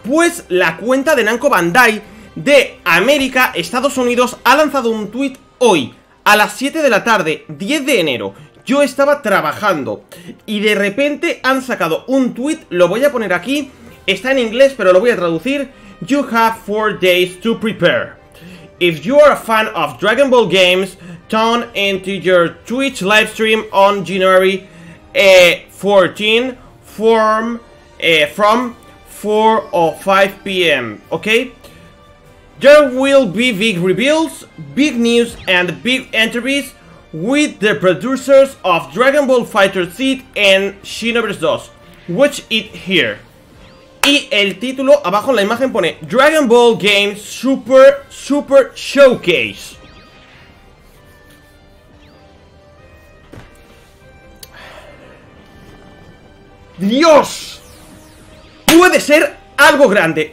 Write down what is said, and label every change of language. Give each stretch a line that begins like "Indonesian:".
Spanish: Pues la cuenta de Namco Bandai de América, Estados Unidos, ha lanzado un tuit hoy, a las 7 de la tarde, 10 de enero. Yo estaba trabajando y de repente han sacado un tuit, lo voy a poner aquí, está en inglés pero lo voy a traducir.
English: You have 4 days to prepare. If you are a fan of Dragon Ball games, tune into your Twitch livestream on January 14, from 4 or 5 p.m. Okay, there will be big reveals, big news, and big interviews with the producers of Dragon Ball FighterZ and Xenoverse 2. Watch it here.
Spanish: Y el título abajo en la imagen pone Dragon Ball Games Super Showcase. Dios. Puede ser algo grande.